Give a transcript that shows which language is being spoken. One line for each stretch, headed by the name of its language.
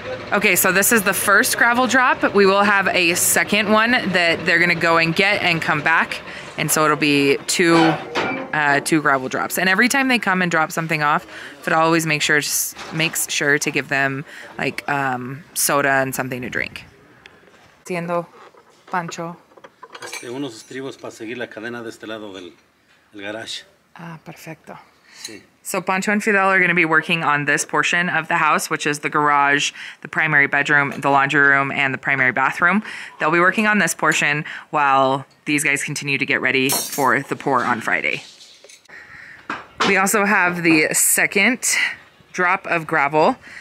English: Okay, so this is the first gravel drop. We will have a second one that they're gonna go and get and come back. And so it'll be two gravel drops. And every time they come and drop something off, Fidel always makes sure to give them like soda and something to drink.
Spanish: Siendo Pancho. Este, unos estribos para seguir la cadena de este lado del el garage. Ah, perfecto. Sí.
English: So Pancho and Fidel are going to be working on this portion of the house, which is the garage, the primary bedroom, the laundry room, and the primary bathroom. They'll be working on this portion while these guys continue to get ready for the pour on Friday. We also have the second drop of gravel.